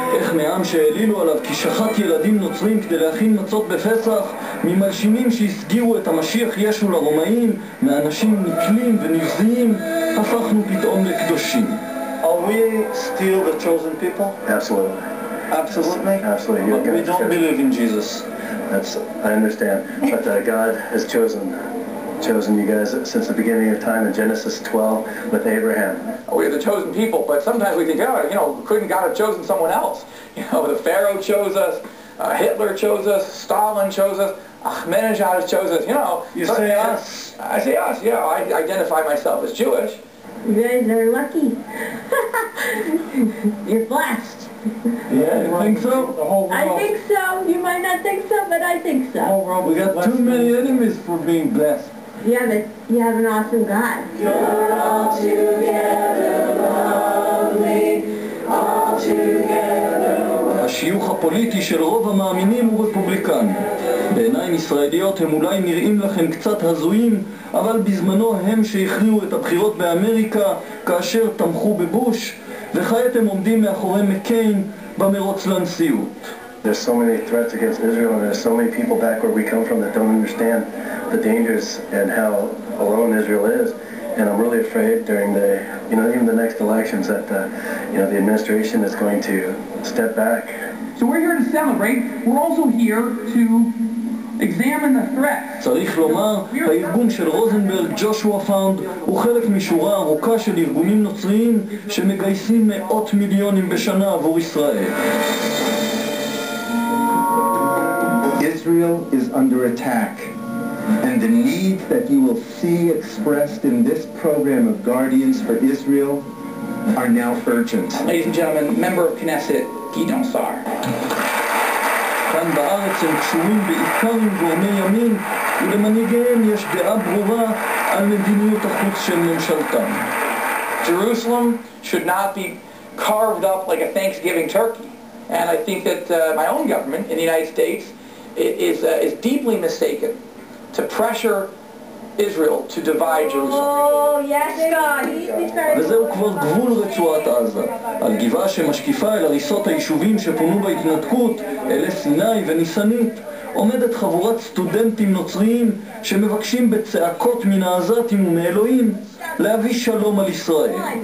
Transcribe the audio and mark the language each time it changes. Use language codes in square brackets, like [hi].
[he] איך מעם שהעלילו עליו כי שחט ילדים נוצרים כדי להכין מצות בפסח, ממלשינים שהסגירו את המשיח ישו לרומאים, מאנשים נקלים ונבזיים, הפכנו פתאום לקדושים? [en] Are we still the chosen people? Absolutely. Absolutely? Absolutely. But we don't believe in Jesus. That's, I understand. But God has chosen you guys since the beginning of time in Genesis 12 with Abraham. We are the chosen people, but sometimes we think, oh, you know, couldn't God have chosen someone else? You know, the Pharaoh chose us, Hitler chose us, Stalin chose us, Ahmadinejad has chosen us, you know. You say us. I say us, yeah. I identify myself as Jewish. You're lucky. You're blessed. Yeah, you think so? The whole world. I think so. You might not think so, but I think so. The whole world. We got too many enemies for being blessed. Yeah, but you have an awesome God. You're all together lovely, all together. [he] השיוך הפוליטי של רוב המאמינים הוא רפובליקני. בעיניים ישראליות הם אולי נראים לכם קצת הזויים, אבל בזמנו הם שהכריעו את הבחירות באמריקה כאשר תמכו בבוש, וכעת הם עומדים מאחורי מקיין במרוץ לנשיאות. [en] There's so many threats against Israel and there's so many people back where we come from that don't understand the dangers and how alone Israel is. And I'm really afraid during the, you know, even the next elections that, you know, the administration is going to step back. So we're here to celebrate. We're also here to examine the threats. [he] צריך לומר, הארגון של רוזנברג, ג'ושוע פאונד, הוא חלק משורה ארוכה של ארגונים נוצריים שמגייסים מאות מיליונים בשנה עבור ישראל. [en] Israel is under attack. And the need that you will see expressed in this program of Guardians for Israel are now urgent. Ladies and gentlemen, member of Knesset, Gideon Sar. [he] כאן בארץ הם קשורים בעיקר עם גורמי ימין, ולמנהיגיהם יש דעה ברורה על מדיניות החוץ של ממשלתם. [en] Jerusalem should not be carved up like a Thanksgiving turkey. And I think that my own government in the United States is deeply mistaken to pressure Israel to divide Jerusalem. Oh, yes, God. [he] וזהו כבר גבול רצועת עזה. על גבעה שמשקיפה אל הריסות היישובים שפונו בהתנתקות, אלה סיני וניסנית, עומדת חבורת סטודנטים נוצריים שמבקשים בצעקות מן העזתים ומאלוהים להביא שלום על ישראל.